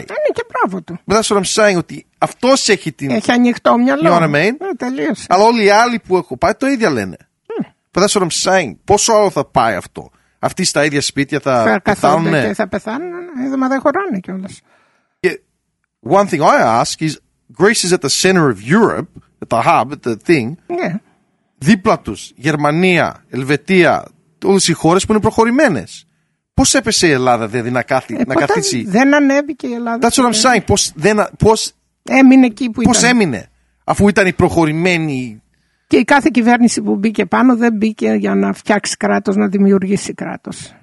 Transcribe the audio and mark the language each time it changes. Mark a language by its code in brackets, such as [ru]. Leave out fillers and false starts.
[el] Είναι και μπράβο του. [en] But that's what I'm saying, [el] ότι αυτός έχει την... Έχει ανοιχτό μυαλό. [en] You know what I mean? [el] Τελείωσε. Αλλά όλοι οι άλλοι που έχουν πάει το ίδια λένε. [en] But that's what I'm saying. [el] Πόσο άλλο θα πάει αυτό? Αυτοί στα ίδια σπίτια θα πεθάνουν. Και θα πεθάνουν, μα δεν χωράνε κιόλας. [en] One thing I ask is, Greece is at the center of Europe, at the hub, at the thing. [el] Δίπλα τους, Γερμανία, Ελβετία, όλες οι χώρες που είναι προχωρημένες. Πώς έπεσε η Ελλάδα δηλαδή να καθίσει? Δεν ανέβηκε η Ελλάδα. [en] That's what I'm saying. [el] Πώς έμεινε εκεί που ήταν. Πώς έμεινε, αφού ήταν η προχωρημένη. Και η κάθε κυβέρνηση που μπήκε πάνω δεν μπήκε για να φτιάξει κράτος, να δημιουργήσει κράτος.